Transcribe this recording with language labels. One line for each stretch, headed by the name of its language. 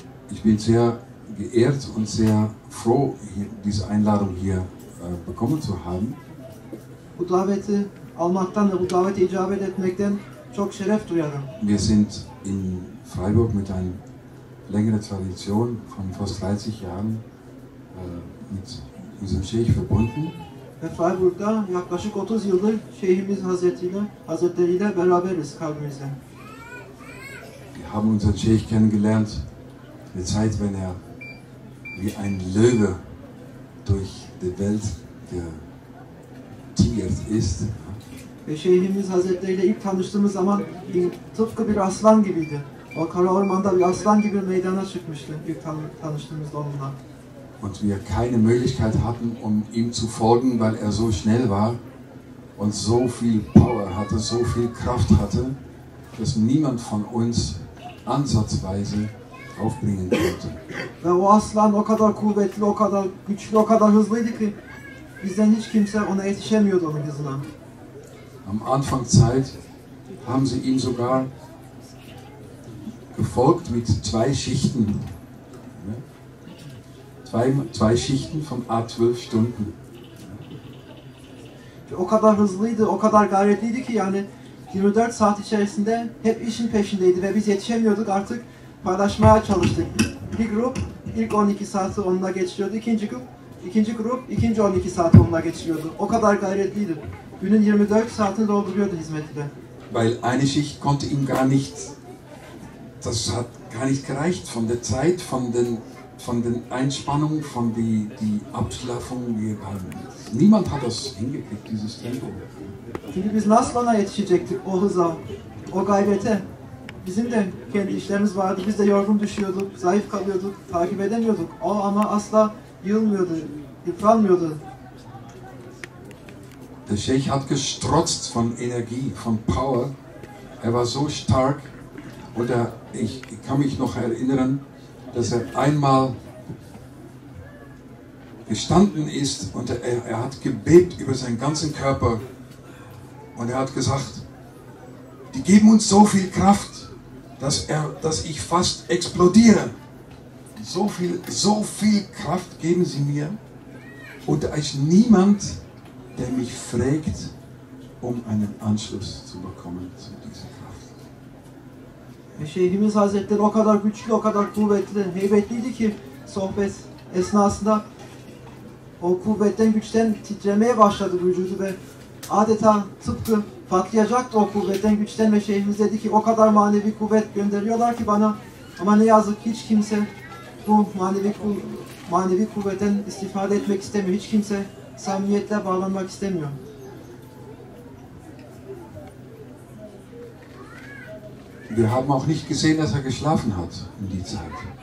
German: Ich bin sehr geehrt und sehr froh, hier, diese Einladung hier bekommen zu haben.
Turkish: Bu daveti almaktan ve bu daveti icabet etmekten çok şeref duyarım.
German: Wir sind in Freiburg mit einer längeren Tradition von fast 30 Jahren mit unserem Scheich verbunden.
Turkish: Ve Freiburg'da yaklaşık 30 yıldır Şeyhimiz Hazretleriyle beraberiz kalbimizle.
German: Wir haben unseren Scheich kennengelernt. Eine Zeit, wenn er wie ein Löwe durch die Welt getigert ist.
Turkish: Ve Şeyhimiz Hazretleriyle ilk tanıştığımız zaman tıpkı bir aslan gibiydi. O kara ormanda bir aslan gibi meydana çıkmıştı ilk tanıştığımızda onunla.
German: Und wir keine Möglichkeit hatten, um ihm zu folgen, weil er so schnell war und so viel Power hatte, so viel Kraft hatte, dass niemand von uns ansatzweise aufbringen konnte.
Turkish: Ve o aslan o kadar kuvvetli, o kadar güçlü, o kadar hızlıydı ki bizden hiç kimse ona yetişemiyordu onun hızına.
German: Am Anfang Zeit haben sie ihm sogar gefolgt mit zwei Schichten. Zwei Schichten von A 12 Stunden.
Turkish: O kadar hızlıydı, o kadar gayretliydi ki yani 24 saat içerisinde hep işin peşindeydi ve biz yetişemiyorduk artık paylaşmaya çalıştık. Bir grup ilk 12 saati onunla geçiriyordu, ikinci grup ikinci 12 saati onunla geçiriyordu. O kadar gayretliydi. Günün 24 saatini dolduruyordu hizmeti de.
German: Weil eine Schicht konnte ihm gar nicht, das hat gar nicht gereicht von der Zeit, von den Einspannung, von die Abschlaffung, niemand hat das hingekriegt, dieses Tempo.
Turkish: Çünkü biz nasıl ona yetişecektik o hıza, o gayrete? Bizim de kendi işlerimiz vardı, biz de yorgun düşüyorduk, zayıf kalıyorduk, takip edemiyorduk. O ama asla yılmıyordu, yıpranmıyordu.
German: Der Sheikh hat gestrotzt von Energie, von Power. Er war so stark. Und ich kann mich noch erinnern, dass er einmal gestanden ist und er hat gebebt über seinen ganzen Körper. Und er hat gesagt, die geben uns so viel Kraft, dass ich fast explodiere. So viel Kraft geben sie mir. Und als niemand, der mich fragt, um einen Anschluss zu bekommen zu dieser Kraft.
Turkish: Şeyhimiz Hazretleri o kadar güçlü, o kadar kuvvetli, heybetliydi ki sohbet esnasında o kuvvetten, güçten titremeye başladı vücudu ve adeta tıpkı patlayacaktı o kuvvetten, güçten ve şeyhimiz dedi ki o kadar manevi kuvvet gönderiyorlar ki bana ama ne yazık hiç kimse bu manevi kuvvetten istifade etmek istemiyor, hiç kimse samimiyetle bağlanmak istemiyor.
German: Wir haben auch nicht gesehen, dass er geschlafen hat in die Zeit.